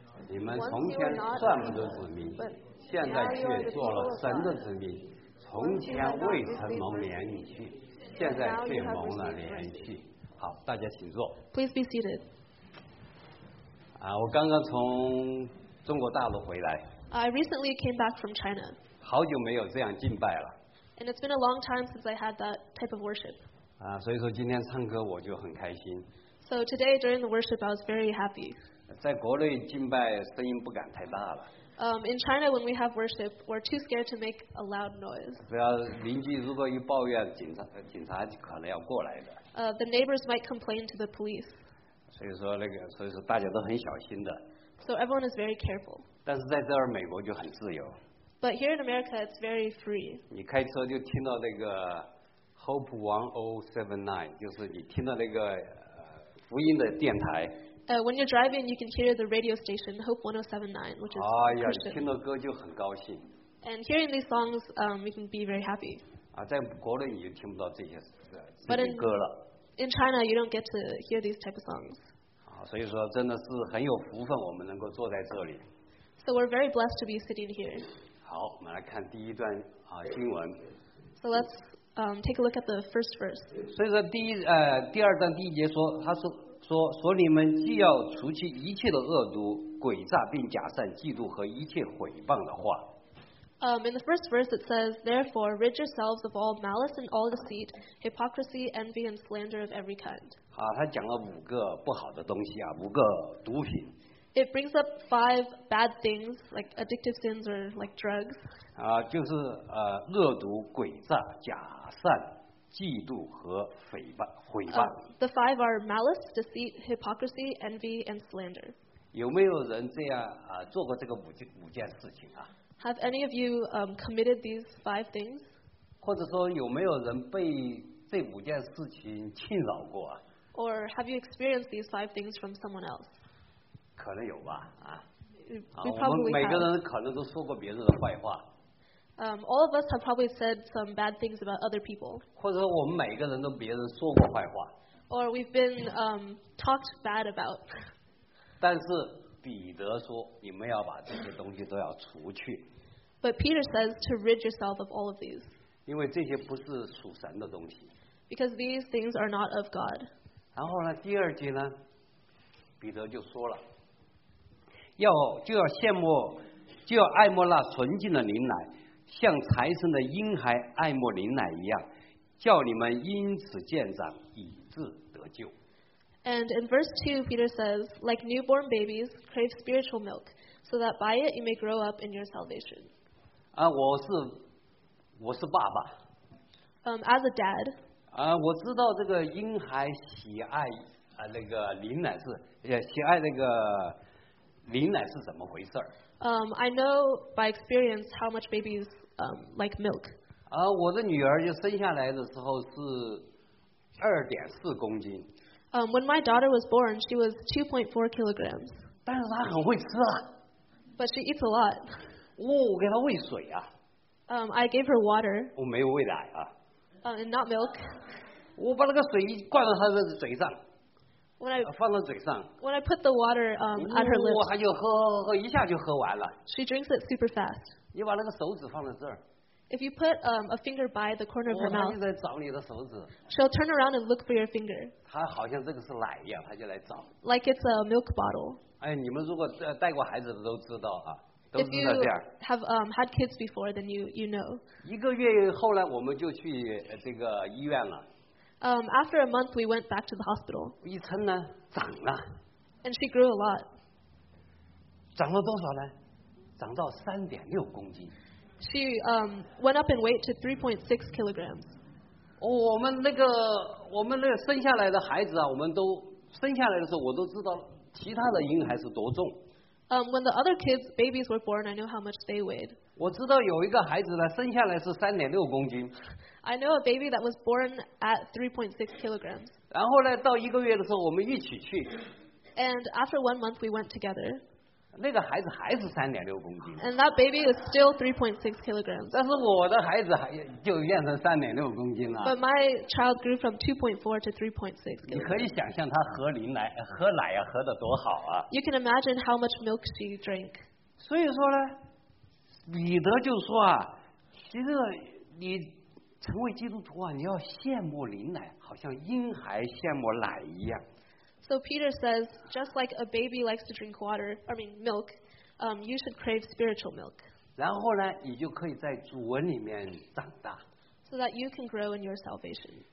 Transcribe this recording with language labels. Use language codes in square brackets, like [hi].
[zh] 你们从前算不得子民，现在却做了神的子民，从前未曾蒙连续，现在却蒙了连续。好，大家请坐。 [en] Please be seated. [zh] 啊，我刚刚从中国大陆回来。 [en] I recently came back from China. [zh] 好久没有这样敬拜了。 [en] And it's been a long time since I had that type of worship. [zh] 啊，所以说今天唱歌我就很开心。 [en] So today during the worship, I was very happy. [zh] 在国内敬拜声音不敢太大了。 [en] In China, when we have worship, we're too scared to make a loud noise. [zh] 不要邻居如果一抱怨，警察可能要过来的。 [en] The neighbors might complain to the police. [zh] 所以说大家都很小心的。 [en] So everyone is very careful. [zh] 但是在这儿美国就很自由。 [en] But here in America, it's very free. [zh] 你开车就听到那个 Hope 1079，就是你听到那个福音的电台。 [en] When you're driving, you can hear the radio station Hope 1079, which is Christian. [zh] 哎呀，听到歌就很高兴。 [en] And hearing these songs, we can be very happy. [zh] 啊，在国内你就听不到这些歌了。 [en] In China, you don't get to hear these type of songs. [zh] 啊，所以说真的是很有福分，我们能够坐在这里。 [en] So we're very blessed to be sitting here. [zh] 好，我们来看第一段啊经文。 [en] So let's take a look at the first verse. [zh] 所以说第二段第一节说所以你们既要除去一切的恶毒、诡诈并假善、嫉妒和一切毁谤的话。 [en] In the first verse it says, therefore, rid yourselves of all malice and all deceit, hypocrisy, envy and slander of every kind. [zh] 好，他讲了五个不好的东西啊，五个毒品。 [en] It brings up five bad things, like addictive sins or like drugs. [zh] 就是恶毒、诡诈、假善、嫉妒和诽谤、毁谤。 [en] The five are malice, deceit, hypocrisy, envy, and slander. [zh] 有没有人这样做过这个五件事情啊？ [en] Have any of you committed these five things? [zh] 或者说有没有人被这五件事情侵扰过啊？ [en] Or have you experienced these five things from someone else? [zh] 可能有吧啊。 [en] We probably have. [zh] 我们每个人可能都说过别人的坏话。 [en] All of us have probably said some bad things about other people. [zh] 或者我们每一个人都别人说过坏话。 [en] Or we've been talked bad about. [zh] 但是彼得说，你们要把这些东西都要除去。 [en] But Peter says to rid yourself of all of these. [zh] 因为这些不是属神的东西。 [en] Because these things are not of God. [zh] 然后呢，第二节呢，彼得就说了，就要爱慕那纯净的灵来。像财神的婴孩爱慕灵奶一样，叫你们因此渐长，以致得救。 [en] And in verse 2, Peter says, like newborn babies, crave spiritual milk, so that by it you may grow up in your salvation. [zh] 啊，我是爸爸。 [en] As a dad. [zh] 啊，我知道这个婴孩喜爱啊那个灵奶是，喜爱那个灵奶是怎么回事。 [en] I know by experience how much babies like milk. [zh] 啊，我的女儿就生下来的时候是2.4公斤。 [en] When my daughter was born, she was 2.4 kilograms. [zh] 但是她很会吃啊。 [en] But she eats a lot. [zh] 我给她喂水啊。 [en] I gave her water. [zh] 我没有喂奶啊。 [en] And not milk. [zh] 我把那个水灌到她的嘴上。 [en] When I put the water at her lips. [zh] 她就喝一下就喝完了。 [en] She drinks it super fast. [zh] 你把那个手指放在这儿。 [en] If you put a finger by the corner of her mouth, [zh] 她就在找你的手指。 [en] She'll turn around and look for your finger. [zh] 她好像这个是奶一样，她就来找。 [en] Like it's a milk bottle. [zh] 哎，你们如果带过孩子的都知道啊，都知道这样。 [en] If you have had kids before, then you know. [zh] 一个月后来我们就去这个医院了。 [en] After a month, we went back to the hospital. [zh] 一称呢，长了。 [en] And she grew a lot. [zh] 长了多少呢？长到3.6公斤。 [en] She went up in weight to 3.6 kilograms. [zh] 我们那个生下来的孩子啊，我们都生下来的时候，我都知道其他的婴孩是多重。 [en] When the other kids babies were born, I knew how much they weighed. [zh] 我知道有一个孩子呢，生下来是3.6公斤。 [en] I know a baby that was born at 3.6 kilograms. [zh] 然后呢，到一个月的时候，我们一起去。 [en] And after 1 month, we went together. [zh] 那个孩子还是3.6公斤。 [en] And that baby is still 3.6 kilograms. [zh] 但是我的孩子就变成3.6公斤了。 [en] But my child grew from 2.4 to 3.6 kilograms. [zh] 你可以想象他喝奶来喝奶啊，喝的多好啊。 [en] You can imagine how much milk she drank. [zh] 所以说呢，彼得就说啊，其实你成为基督徒啊，你要羡慕灵奶，好像婴孩羡慕奶一样。 [en] So Peter says, just like a baby likes to drink water, milk, you should crave spiritual milk. [zh] 然后呢，你就可以在主恩里面长大。 [en] So that you can grow in your salvation.